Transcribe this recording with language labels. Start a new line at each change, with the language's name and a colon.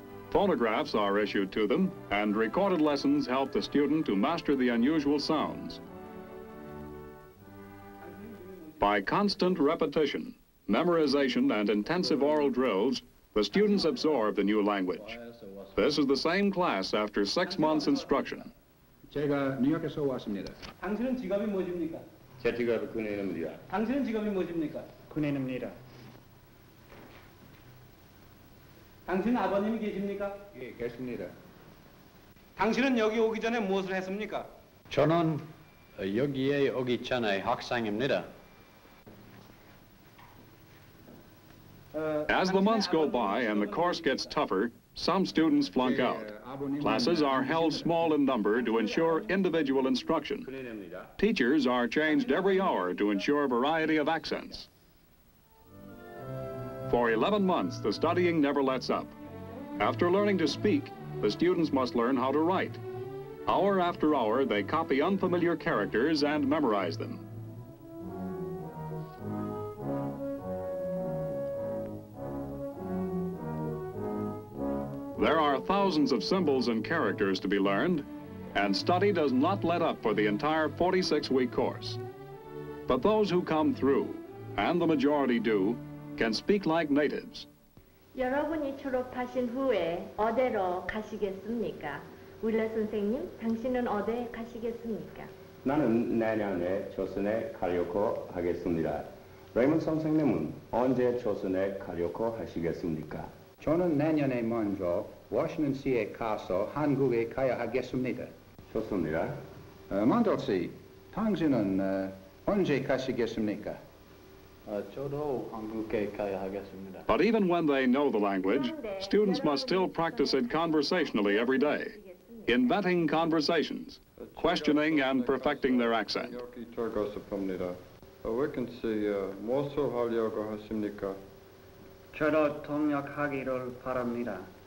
English: Phonographs are issued to them, and recorded lessons help the student to master the unusual sounds. By constant repetition, memorization, and intensive oral drills, the students absorb the new language. This is the same class after 6 months' instruction.
Korean: 제가 뉴욕에서 왔습니다. 당신은 직업이 무엇입니까? 제 직업은 군인입니다. 당신은 직업이 무엇입니까? 군인입니다. 당신 아버님이 계십니까? 예, 계십니다. 당신은 여기 오기 전에 무엇을 했습니까? 저는 여기에 오기 전에 학생입니다.
English: As the months go by and the course gets tougher, some students flunk out. Classes are held small in number to ensure individual instruction. Teachers are changed every hour to ensure variety of accents. For 11 months, the studying never lets up. After learning to speak, the students must learn how to write. Hour after hour, they copy unfamiliar characters and memorize them. There are thousands of symbols and characters to be learned, and study does not let up for the entire 46-week course. But those who come through, and the majority do, can speak like natives.
Korean: 여러분이 졸업하신 후에 어디로 가시겠습니까? 우리 선생님, 당신은 어디에 가시겠습니까? 나는 내년에 조선에 가려고 하겠습니다. 레이먼 선생님은 언제 조선에 가려고 하시겠습니까? 저는 내년에 먼저 워싱턴 시에 가서 한국에 가야 하겠습니다. 좋습니다. 만덕씨, 당신은 언제 가시겠습니까? 저도 한국에 가야 하겠습니다.
English: But even when they know the language, students must still practice it conversationally every day, inventing conversations, questioning and perfecting their accent.
Korean: 여기 들어가서 워싱턴 시에 무엇을 하려고 하십니까? 저도 통역하기를 바랍니다.